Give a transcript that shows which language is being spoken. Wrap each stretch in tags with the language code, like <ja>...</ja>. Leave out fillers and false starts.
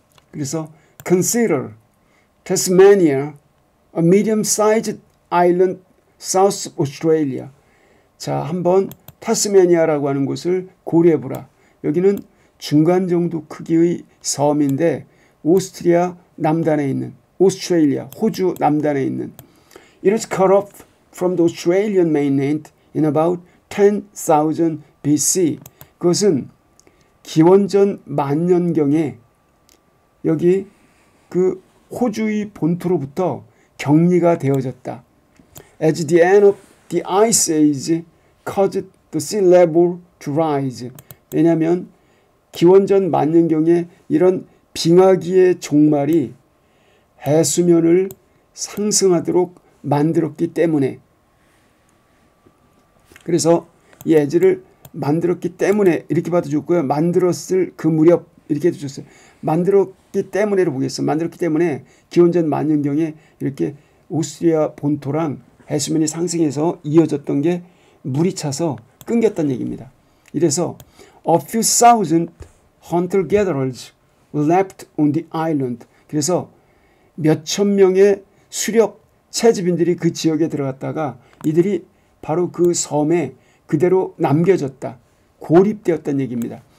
<ko>그래서</ko> <en>consider Tasmania, a medium-sized island south of Australia.</en> <ko>자, 한번 타스마니아라고 하는 곳을 고려해보라. 여기는 중간 정도 크기의 섬인데 오스트리아 남단에 있는, 오스트레일리아, 호주 남단에 있는.</ko> <en>It is cut off from the Australian mainland in about 10,000 BC.</en> <ko>그것은 기원전 만년경에 여기 그 호주의 본토로부터 격리가 되어졌다.</ko> <en>As the end of the Ice Age caused the sea level to rise.</en> <ko>왜냐하면 기원전 만년경에 이런 빙하기의 종말이 해수면을 상승하도록 만들었기 때문에, 그래서 이 에지를 만들었기 때문에 이렇게 봐도 좋고요. 만들었을 그 무렵 이렇게 해도 좋았어요. 만들었기 때문에로 보겠습니다. 만들었기 때문에 기원전 만년경에 이렇게 오스트리아 본토랑 해수면이 상승해서 이어졌던 게 물이 차서 끊겼다는 얘기입니다. 이래서</ko> <en>a few thousand hunter-gatherers left on the island.</en> <ko>그래서 몇천 명의 수렵 채집인들이 그 지역에 들어갔다가 이들이 바로 그 섬에 그대로 남겨졌다, 고립되었다는 얘기입니다.</ko>